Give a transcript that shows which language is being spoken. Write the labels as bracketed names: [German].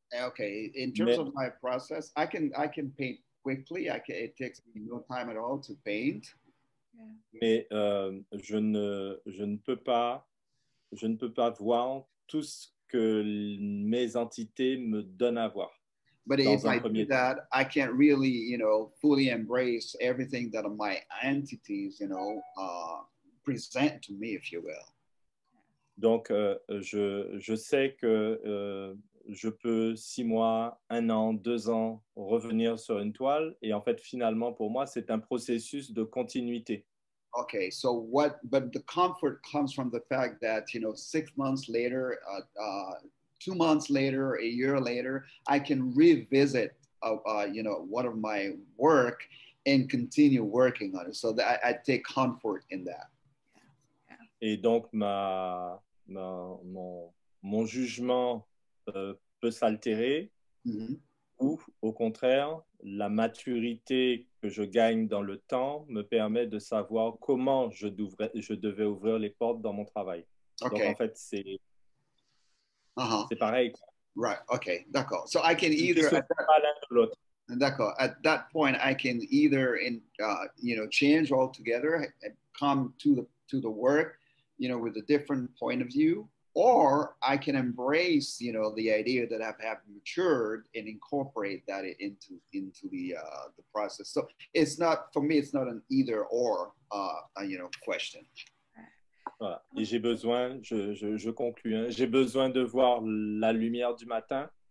[English] Okay, in terms of my process, I can paint quickly. It takes me no time at all to paint. [French] Mais je ne peux pas voir tout ce que mes entités me donnent à voir. [English] But if I do that, I can't really, you know, fully embrace everything that my entities, you know, present to me, if you will. [French] Donc, je sais que je peux 6 mois, 1 an, 2 ans revenir sur une toile. Et en fait, finalement, pour moi, c'est un processus de continuité. [English] Okay, so what, but the comfort comes from the fact that, you know, 6 months later, 2 months later, a year later, I can revisit, you know, one of my work and continue working on it. So that I take comfort in that. [French] Et donc, mon jugement peut s'altérer, ou au contraire, la maturité que je gagne dans le temps me permet de savoir comment je devais ouvrir les portes dans mon travail. [English] Okay. [French] Donc, en fait, c'est pareil. [English] Right, okay, d'accord. So I can either... D'accord. At that point, I can either, in, you know, change altogether, come to the work, you know, with a different point of view, or I can embrace, you know, the idea that I've have matured and incorporate that into the process. So it's not, for me, it's not an either or, you know, question. [French] Voilà. Et j'ai besoin, je conclue, hein. J'ai besoin de voir la lumière du matin.